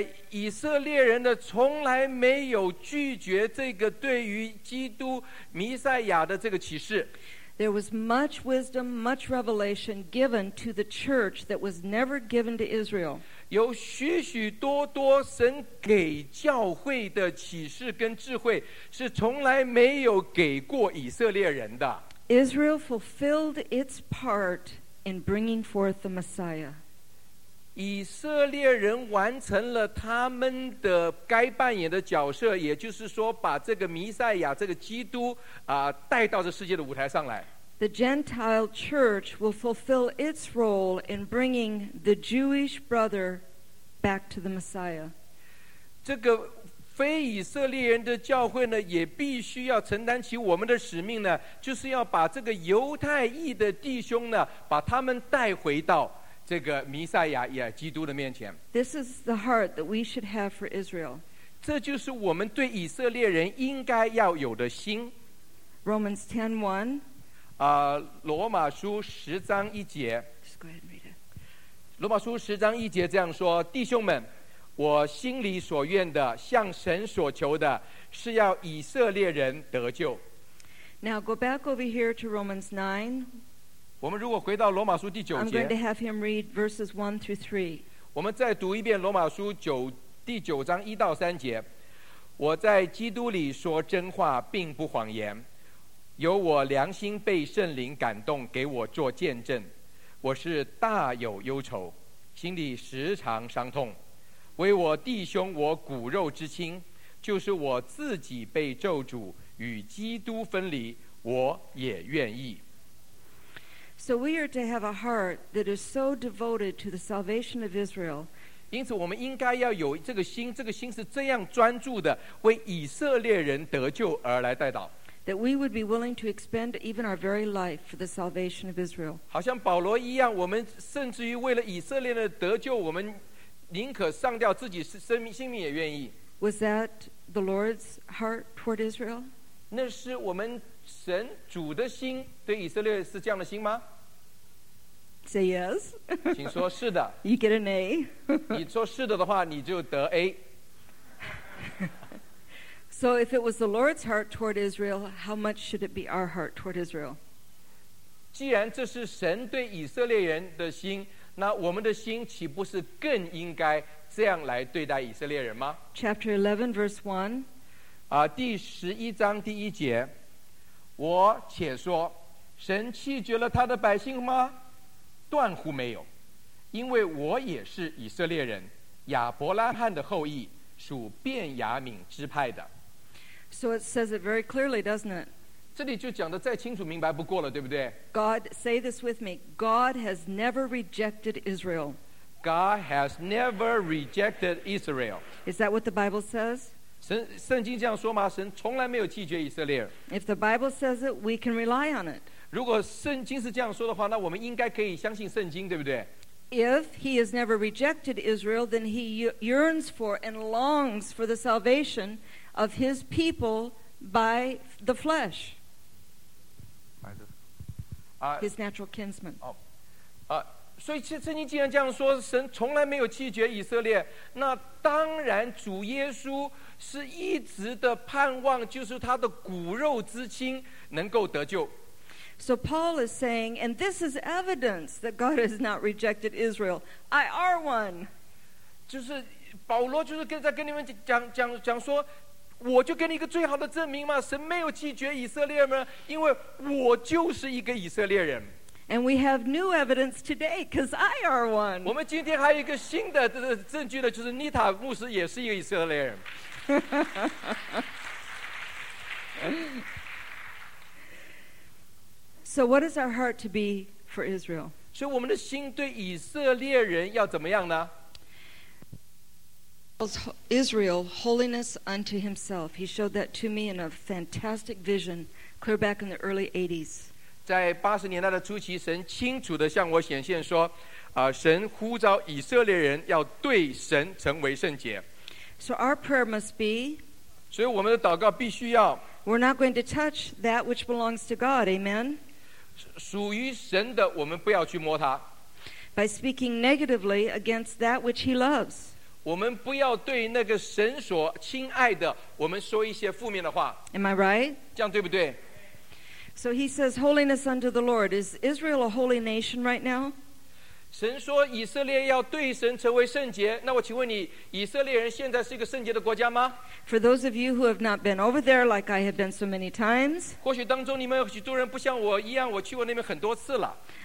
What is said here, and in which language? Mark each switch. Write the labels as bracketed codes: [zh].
[zh] 以色列人呢，从来没有拒绝这个对于基督弥赛亚的这个启示。 [en] There was much wisdom, much revelation given to the church that was never given to Israel. [zh] 有许许多多神给教会的启示跟智慧是从来没有给过以色列人的。 [en] Israel fulfilled its part in bringing forth the Messiah. [zh] 以色列人完成了他们的该扮演的角色，也就是说把这个弥赛亚这个基督带到这世界的舞台上来。 [en] The Gentile church will fulfill its role in bringing the Jewish brother back to the Messiah. [zh] 这个非以色列人的教会呢，也必须要承担起我们的使命呢，就是要把这个犹太裔的弟兄呢，把他们带回到这个弥赛亚也基督的面前。 [en] This is the heart that we should have for Israel. [zh] 这就是我们对以色列人应该要有的心。 [en] Romans 10:1. [zh] 罗马书十章一节。 [en] Just go ahead and read it. [zh] 罗马书十章一节这样说：弟兄们，我心里所愿的，向神所求的，是要以色列人得救。 [en] Now go back over here to Romans 9. [zh] 我们如果回到罗马书第九节。 [en] I'm going to have him read verses 1-3. [zh] 我们再读一遍罗马书第九章1-3节。我在基督里说真话，并不谎言。由我良心被圣灵感动给我做见证，我是大有忧愁，心里时常伤痛，为我弟兄我骨肉之亲，就是我自己被咒诅与基督分离，我也愿意。 [en] So we are to have a heart that is so devoted to the salvation of Israel. [zh] 因此我们应该要有这个心，这个心是这样专注的为以色列人得救而来代祷。 [en] That we would be willing to expend even our very life for the salvation of Israel. [zh] 好像保罗一样，我们甚至于为了以色列的得救，我们宁可上吊自己生命，性命也愿意。 [en] Was that the Lord's heart toward Israel? [zh] 那是我们神主的心对以色列是这样的心吗？ [en] Say yes. [zh] 请说是的。 [en] You get an A. [zh] 你说是的的话，你就得 A. [en] So if it was the Lord's heart toward Israel, how much should it be our heart toward Israel? [zh] 既然这是神对以色列人的心，那我们的心岂不是更应该这样来对待以色列人吗？ [en] Chapter 11, verse 1. [zh] 第十一章第一节，我且说，神弃绝了他的百姓吗？断乎没有，因为我也是以色列人，亚伯拉罕的后裔，属便雅悯支派的。 [en] So it says it very clearly, doesn't it? [zh] 这里就讲得再清楚明白不过了，对不对？ [en] God, say this with me. God has never rejected Israel. God has never rejected Israel. Is that what the Bible says? [zh] 圣经这样说吗？神从来没有弃绝以色列。 [en] If the Bible says it, we can rely on it. [zh] 如果圣经是这样说的话，那我们应该可以相信圣经，对不对？ [en] If he has never rejected Israel, then he yearns for and longs for the salvation of his people by the flesh. His natural kinsman. [zh] 所以圣经既然这样说，神从来没有弃绝以色列，那当然主耶稣是一直的盼望，就是他的骨肉之亲能够得救。 [en] So Paul is saying, and this is evidence that God has not rejected Israel. I are one. [zh] 就是保罗就是跟在跟你们讲说，我就给你一个最好的证明嘛，神没有弃绝以色列吗？因为我就是一个以色列人。 [en] And we have new evidence today, because I are one. [zh] 我们今天还有一个新的证据呢，就是妮塔牧师也是一个以色列人。 [en] So what is our heart to be for Israel? [zh] 所以我们的心对以色列人要怎么样呢？ [en] Israel, holiness unto himself. He showed that to me in a fantastic vision clear back in the early 80s. [zh] 在八十年代的初期，神清楚地向我显现说，神呼召以色列人要对神成为圣洁。 [en] So our prayer must be, [zh] 所以我们的祷告必须要， [en] we're not going to touch that which belongs to God. Amen. [zh] 属于神的我们不要去摸它。 [en] By speaking negatively against that which he loves. [zh] 我们不要对那个神所亲爱的我们说一些负面的话。 [en] Am I right? [zh] 这样对不对？ [en] So he says holiness unto the Lord. Is Israel a holy nation right now? [zh] 神说以色列要对神成为圣洁，那我请问你，以色列人现在是一个圣洁的国家吗？ [en] For those of you who have not been over there like I have been so many times, [zh] 或许当中你们有许多人不像我一样，我去过那边很多次了。